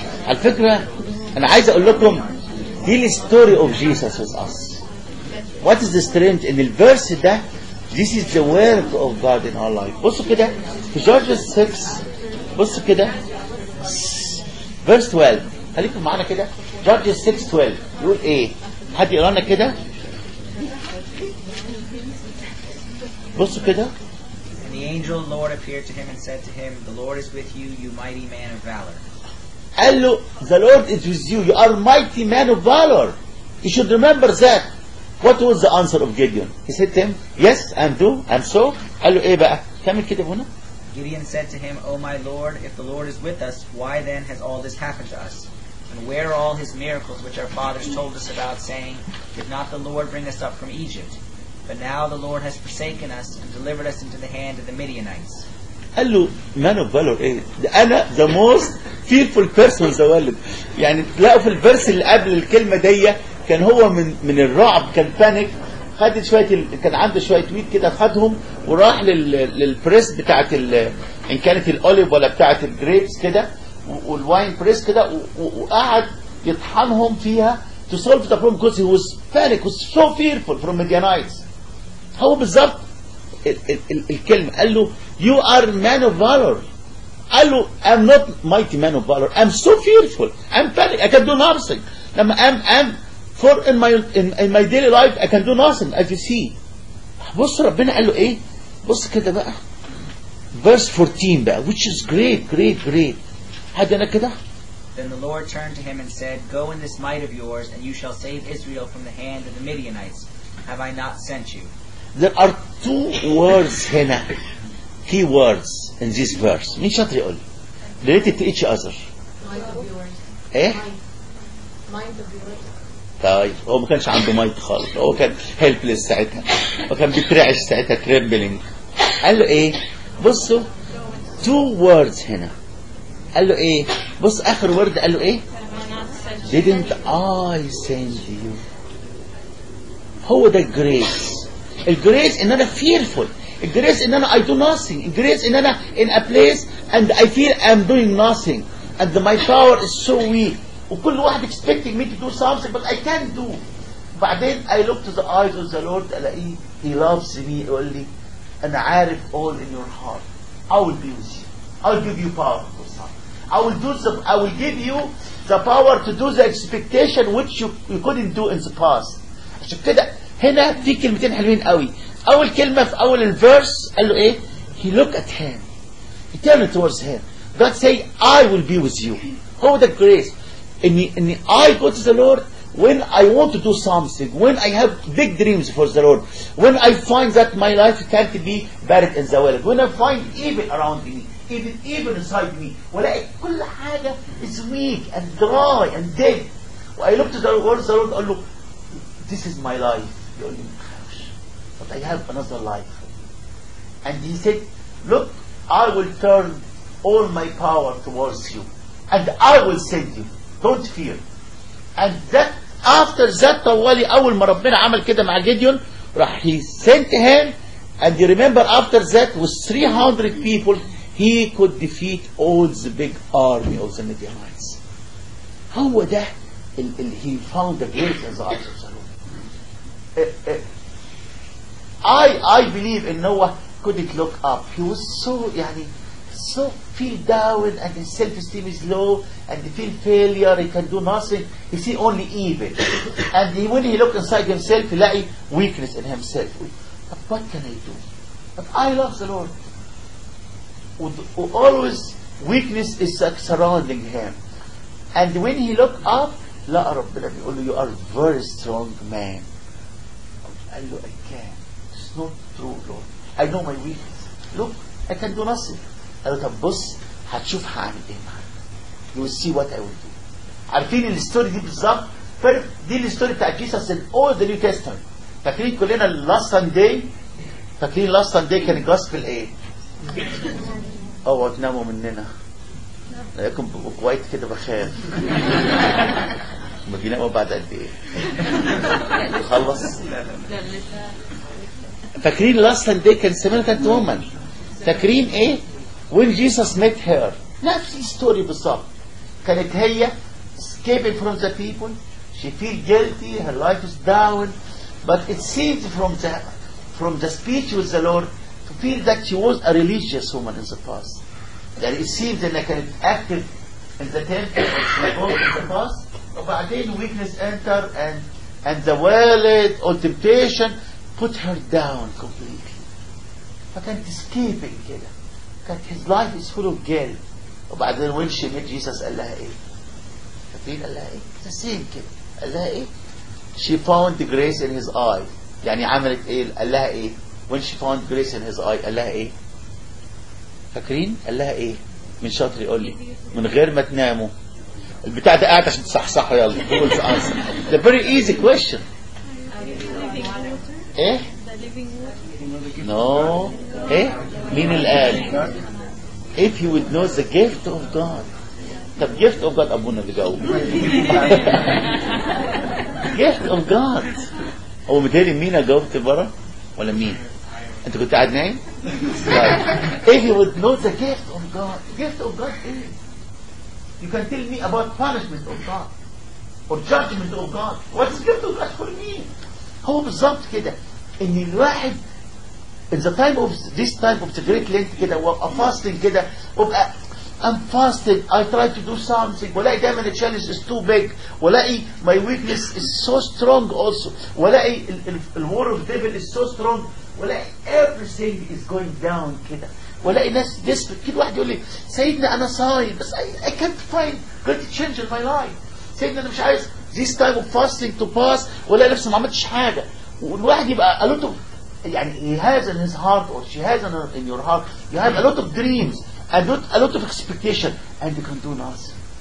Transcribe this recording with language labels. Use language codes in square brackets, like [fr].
[ar] Al fikra, أنا عايز أقول لكم دي [en] الستوري of Jesus with us. What is the strength in the verse ده this is the work of God in our life. [ar] بصوا كده في جورجيس 6 بصوا كده verse 12 خليكم معنا كده جورجيس 6 12 يقول إيه حد يقرأنا كده بصوا كده [en] And the angel of the Lord appeared to him and said to him The Lord is with you, you mighty man of valor. [ar] قال له [en] the Lord is with you. You are mighty man of valor. You should remember that. What was the answer of Gideon? He said to him, yes, and do, and so. [ar] قال له ايه بقى? كم الكتاب هنا? [en] Gideon said to him, Oh my Lord, if the Lord is with us, why then has all this happened to us? And where are all his miracles which our fathers told us about, saying, Did not the Lord bring us up from Egypt? But now the Lord has forsaken us and delivered us into the hand of the Midianites. [ar] قال له [en] man of valor [ar] ايه? [en] أنا the most fearful person the world. [ar] يعني تلاقوا في الفيرس اللي قبل الكلمة دي كان هو من الرعب كان panic خد شوية كان عنده شوية tweet كده خدهم وراح للبريس بتاعت إن كانت الأوليف ولا بتاعت الجريبس كده والواين بريس كده وقعد يطحنهم فيها [en] to solve the problem because he was panic was so fearful from Midianites [ar] هو بالظبط الكلمة قال له [en] You are man of valor. I'm not mighty man of valor. I'm so fearful. I'm panic. I can do nothing. I'm for in my daily life. I can do nothing. As you see, [ar] بص ربنا قال له إيه? بص كده بقى. [en] Verse 14 بقى, which is great. [ar] حاجة أنا كده. [en] Then the Lord turned to him and said, "Go in this might of yours, and you shall save Israel from the hand of the Midianites. Have I not sent you?" There are two words here. Key words in this verse. [ar] مين شاطر يقول? [en] Related to each other. Mind of yours. [ar] طيب. هو ما كانش عنده mind خالص. هو كان helpless ساعتها. وكان بترعش ساعتها trembling. قال له ايه? بصوا. [en] Two words هنا. [ar] قال له ايه? بص اخر word قال له ايه? [en] Didn't I send you? [ar] هو ده grace. الgrace ان انا fearful. [en] Grace in I do nothing. Grace in in a place and I feel I'm doing nothing. And my power is so weak. [ar] وكل واحد [en] expecting me to do something but I can't do. [ar] بعدين [en] I look to the eyes of the Lord. [ar] ألاقيه. [en] He loves me. [ar] يقول لي [en] and arif all in your heart. I will be with you. I will give you power. I will do the, I will give you the power to do the expectation which you couldn't do in the past. [ar] عشان كده هنا في كلمتين حلوين قوي. أول كلمة في أول الverse قال له إيه؟ [en] He looked at him. He turned towards him. God say, I will be with you. How the grace? In I go to the Lord when I want to do something, when I have big dreams for the Lord, when I find that my life can't be buried in the world, when I find evil around me, even inside me, when I كل حاجة is weak and dry and dead, when I look to the Lord, the Lord قال له, this is my life. But I have another life. And he said, look, I will turn all my power towards you. And I will send you. Don't fear. And that after that, [ar] طوالي أول ما ربنا عمل كده مع جيديون, راح [en] he sent him. And you remember after that, with 300 people, he could defeat all the big army of the Midianites. [ar] هو ده اللي [en] he found the great desire of the Lord. I believe in Noah couldn't look up. He was so يعني, so feel down and his self-esteem is low and he feel failure, he can do nothing. He see only evil. And he, when he look inside himself, he lay weakness in himself. But what can I do? But I love the Lord. Always weakness is like surrounding him. And when he look up, [ar] لا رب العالمين, قال له, [en] you are a very strong man. [ar] قال له, [en] I can. Not true, Lord. I know my weakness. Look, I can do nothing. [ar] قال له, طب بص, هتشوف هعمل ايه معاك. [en] You will see what I will do. [ar] عارفين الستوري دي بالظبط؟ فرق دي الستوري بتاع [en] Jesus in all the New Testament. [ar] فاكرين كلنا last Sunday؟ فاكرين last Sunday كان الجوسبل ايه؟ اوعوا تناموا مننا. لكم كويت كده بخاف. ما بيناموا بعد قد ايه؟ خلص؟ فاكرين last Sunday كان Samaritan woman. فاكرين ايه؟ [en] When Jesus met her. [ar] نفس الستوري بالظبط. كانت هي [en] escaping from the people. She feel guilty. Her life is down. But it seems from the speech with the Lord to feel that she was a religious woman in the past. That it seems that like an active in the temple of the Lord in the past. وبعدين weakness enter and the wallet or temptation put her down completely. [ar] فكانت escaping كده. [en] كانت his life is full of guilt. [ar] وبعدين [en] when she met Jesus [ar] قال لها ايه؟ فاكرين قال لها ايه؟ [en] the same [ar] كده. قال لها ايه؟ [en] she found grace in his eye. [ar] يعني عملت ايه؟ قال لها ايه؟ [en] when she found grace in his eye [ar] قال لها ايه؟ فاكرين؟ قال لها ايه؟ من شاطر يقول لي من غير ما تناموا. البتاع ده قاعد عشان تصحصحوا يلا. [en] the very easy question. ايه؟ No ايه؟ [ar] مين اللي قال؟ [en] if you would know the gift of God. [ar] طب [en] gift of God [ar] ابونا اللي جاوب. [en] gift of God. [ar] هو متهيألي مين جاوبت بره؟ ولا مين؟ انت كنت قاعد نايم؟ [en] if you would know the gift of God. gift of God ايه؟ you can tell me about punishment of God. or judgment of God. what's gift of God for me؟ [ar] هو بالظبط كده. ان الواحد [en] in the time of this time of the great Lent [ar] كده وابقى [en] fasting كده وابقى I'm fasting, I try to do something, ولاقي دائما the challenge is too big, ولاقي my weakness is so strong also, ولاقي the war of the devil is so strong, ولاقي everything is going down كده, [ar] ولاقي ناس [en] desperate. [ar] كل واحد يقول لي سيدنا انا صايم بس [en] I can't find great change in my life. [ar] سيدنا انا مش عايز [en] this time of fasting to pass, [ar] ولاقي نفسي ما عملتش حاجه. والواحد يبقى [en] a lot of يعني he has in his heart or she has in your heart, you have a lot of dreams and a lot of expectation and you can do nothing.